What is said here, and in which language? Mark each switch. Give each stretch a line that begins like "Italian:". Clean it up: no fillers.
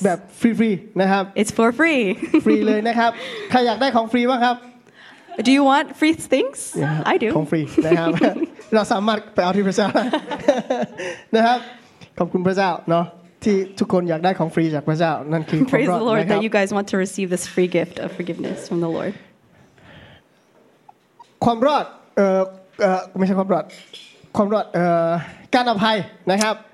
Thai: แบบฟรีๆนะครับ
English: It's for free.
Thai: ฟรีเลยนะครับใครอยากได้ของฟรีบ้างครับ
English: Do you want free things? Yeah, I do.
Thai: ของฟรีนะครับเราสามารถไปเอาที่พระเจ้านะครับขอบคุณพระเจ้าเนาะที่ทุกคนอยากได้ของฟรีจากพระเจ้านั่นคือ
English: Praise the Lord that you guys want to receive this free gift of forgiveness from the Lord.
Thai: ความรอดไม่ใช่ความรอดความรอดการอภัยนะครับ